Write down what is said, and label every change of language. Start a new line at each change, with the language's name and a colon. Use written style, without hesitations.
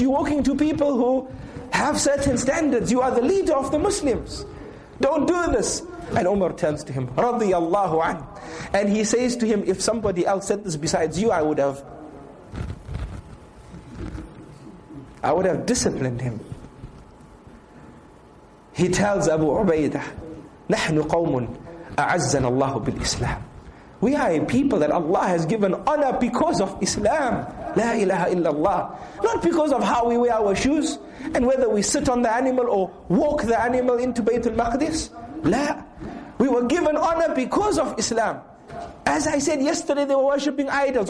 English: You're walking to people who have certain standards. You are the leader of the Muslims. Don't do this. And Umar turns to him, radiallahu anhu. And he says to him, if somebody else said this besides you, I would have disciplined him. He tells
Arabic: Abu Ubaidah, نَحْنُ قَوْمٌ أَعَزَّنَ اللَّهُ بِالْإِسْلَامِ.
English: We are a people that Allah has given honor because of Islam. La ilaha illallah. Not because of how we wear our shoes and whether we sit on the animal or walk the animal into Baytul Maqdis. La. We were given honor because of Islam. As I said yesterday, they were worshipping idols.